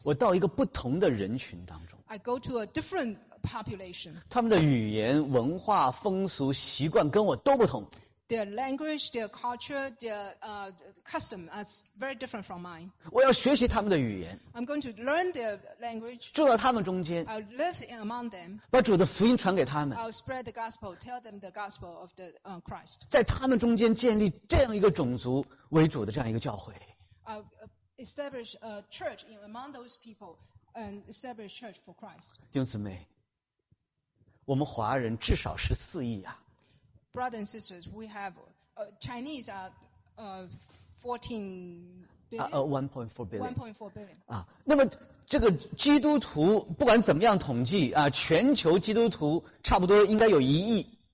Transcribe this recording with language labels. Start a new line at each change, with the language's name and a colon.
Chinese: 我到一个不同的人群当中。
English: I go to a different population.
Chinese: 他们的语言、文化、风俗、习惯跟我都不同。
English: Their language, their culture, their custom is very different from mine.
Chinese: 我要学习他们的语言。
English: I'm going to learn their language.
Chinese: 住到他们中间。
English: I'll live among them.
Chinese: 把主的福音传给他们。
English: I'll spread the gospel, tell them the gospel of the Christ.
Chinese: 在他们中间建立这样一个种族为主的这样一个教会。
English: I'll establish a church among those people and establish a church for Christ.
Chinese: 弟兄姊妹，我们华人至少是14亿啊。
English: Brothers and sisters, we have Chinese are 14 billion. 1.4 billion.
Chinese: 啊，那么这个基督徒不管怎么样统计啊，全球基督徒差不多应该有一亿。